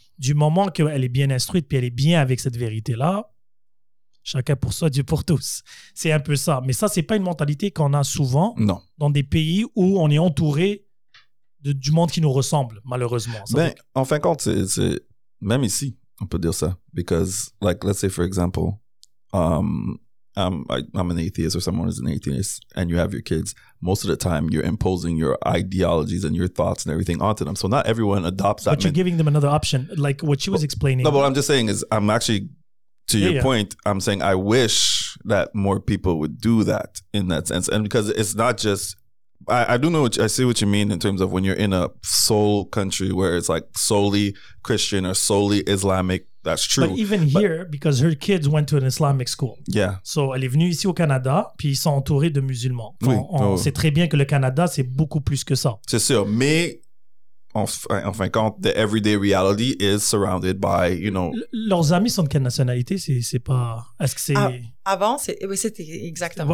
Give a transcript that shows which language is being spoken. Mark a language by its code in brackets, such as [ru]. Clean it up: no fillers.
[fr] Du moment qu'elle est bien instruite puis elle est bien avec cette vérité-là, chacun pour soi, Dieu pour tous. C'est un peu ça. Mais ça, ce n'est pas une mentalité qu'on a souvent dans des pays où on est entouré du monde qui nous ressemble, malheureusement. Ben, en fin de compte, c'est même ici, on peut dire ça. [en] Because, like, let's say, for example, I'm an atheist or someone is an atheist and you have your kids. Most of the time, you're imposing your ideologies and your thoughts and everything onto them. So not everyone adopts that. But you're giving them another option, like what she was explaining. No, but what I'm just saying is, I'm actually, to your point, I'm saying I wish that more people would do that in that sense. And because it's not just, I do know, I see what you mean in terms of when you're in a soul country where it's like solely Christian or solely Islamic, that's true. But even here, because her kids went to an Islamic school. Yeah. [fr] So, elle est venue ici au Canada, puis ils sont entourés de musulmans. Oui. On sait très bien que le Canada, c'est beaucoup plus que ça. C'est sûr. Mais, en fin de compte, [en] the everyday reality is surrounded by, you know... [fr] Leurs amis sont de quelle nationalité? C'est pas... Est-ce que c'est... Avant, c'était exactement...